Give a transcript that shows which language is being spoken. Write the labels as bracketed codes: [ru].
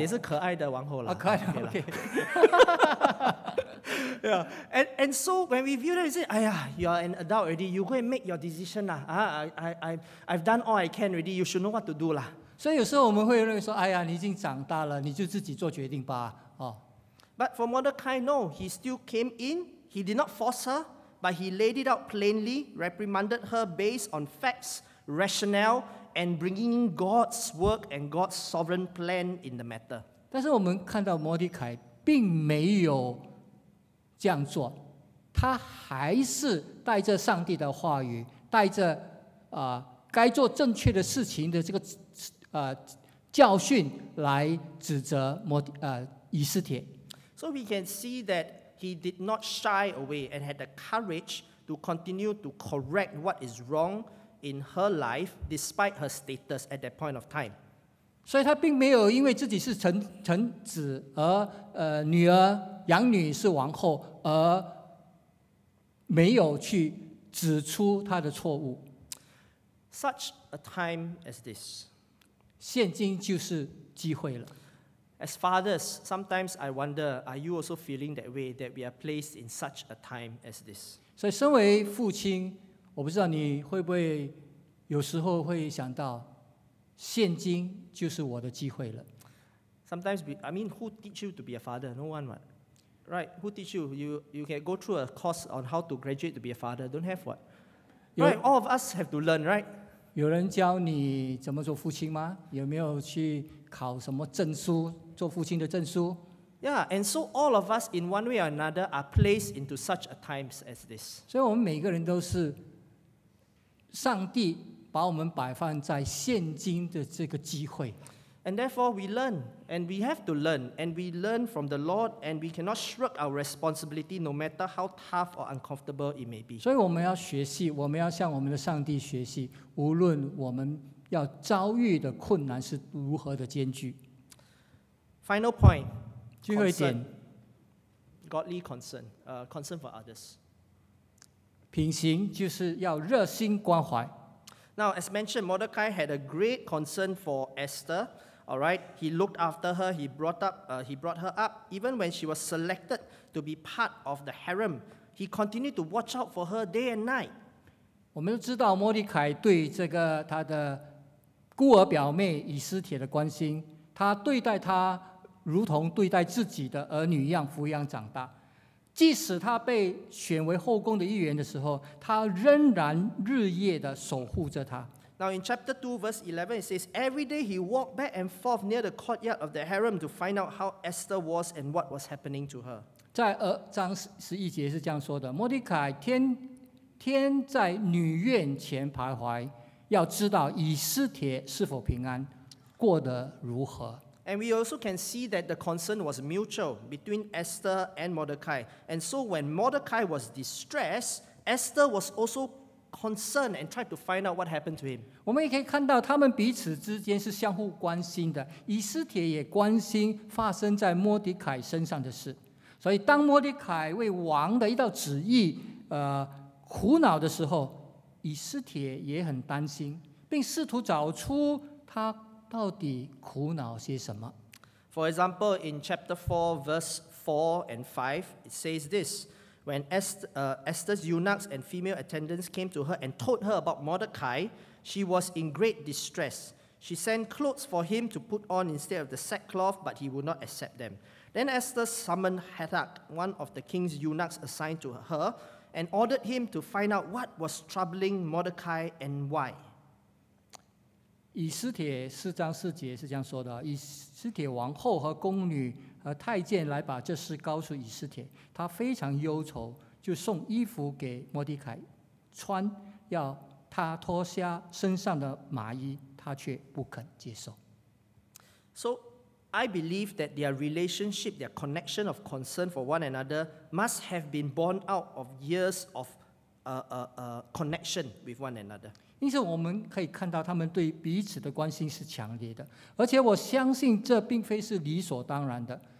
[zh] 也是可爱的王后了。可爱的, okay. [en] Yeah. And so when we view that, we say, "Aiya, you are an adult already. You go and make your decision lah. I've done all I can already. You should know what to do lah." [zh] 所以有时候我们会认为说，哎呀，你已经长大了，你就自己做决定吧。 [en] But for Mordecai, no, he still came in. He did not force her. But he laid it out plainly, reprimanded her based on facts, rationale, and bringing in God's work and God's sovereign plan in the matter. [zh] 但是我们看到摩迪凯并没有这样做，他还是带着上帝的话语，带着该做正确的事情的这个教训来指责以斯帖。 [en] So we can see that. He did not shy away and had the courage to continue to correct what is wrong in her life despite her status at that point of time. [zh] 所以她并没有因为自己是臣子而女儿养女是王后而没有去指出她的错误。 [en] Such a time as this. [zh] 现今就是机会了。 [en] As fathers, sometimes I wonder, are you also feeling that way, that we are placed in such a time as this? [zh] 所以身为父亲，我不知道你会不会有时候会想到，现今就是我的机会了。 [en] Sometimes, who teach you to be a father? No one, what? Right, who teach you? You can go through a course on how to graduate to be a father. Don't have what? Right, all of us have to learn, right? [zh] 有人教你怎么做父亲吗？有没有去考什么证书？做父亲的证书。 [en] Yeah, and so all of us in one way or another are placed into such a times as this. [zh] 所以我们每个人都是上帝把我们摆放在现今的这个机会。 [en] And therefore we learn, and we have to learn, and we learn from the Lord, and we cannot shirk our responsibility no matter how tough or uncomfortable it may be. [zh] 所以我们要学习，我们要向我们的上帝学习，无论我们要遭遇的困难是如何的艰巨。 [en] Final point, [zh] 最后一点 [en] godly concern, concern for others. [zh] 品行就是要热心关怀。 [en] Now, as mentioned, Mordecai had a great concern for Esther. All right, he looked after her. He brought her up. Even when she was selected to be part of the harem, he continued to watch out for her day and night. [zh] 我们知道摩迪凯对这个他的孤儿表妹以斯帖的关心，他对待她如同对待自己的儿女一样抚养长大。即使他被选为后宫的一员的时候，他仍然日夜的守护着他。 [en] Now in chapter 2, verse 11, it says, every day he walked back and forth near the courtyard of the harem to find out how Esther was and what was happening to her. [zh] 在二章十一节是这样说的，莫迪凯天天在女院前徘徊，要知道以斯帖是否平安，过得如何。 [en] And we also can see that the concern was mutual between Esther and Mordecai. And so when Mordecai was distressed, Esther was also concerned and tried to find out what happened to him. [zh] 我们也可以看到他们彼此之间是相互关心的。以斯帖也关心发生在莫迪凯身上的事。所以当莫迪凯为王的一道旨意苦恼的时候，以斯帖也很担心，并试图找出他到底苦恼些什么。 [en] For example, in chapter 4, verse 4 and 5, it says this, when Esther's eunuchs and female attendants came to her and told her about Mordecai, she was in great distress. She sent clothes for him to put on instead of the sackcloth, but he would not accept them. Then Esther summoned Hathach, one of the king's eunuchs assigned to her, and ordered him to find out what was troubling Mordecai and why. [zh] 以斯帖四章四节是这样说的，以斯帖王后和宫女和太监来把这事告诉以斯帖，她非常忧愁，就送衣服给莫迪凯穿，要他脱下身上的麻衣，他却不肯接受。 [en] So I believe that their relationship, their connection of concern for one another must have been born out of years of connection with one another. [zh] 因此我们可以看到他们对彼此的关心是强烈的，而且我相信这并非是理所当然的。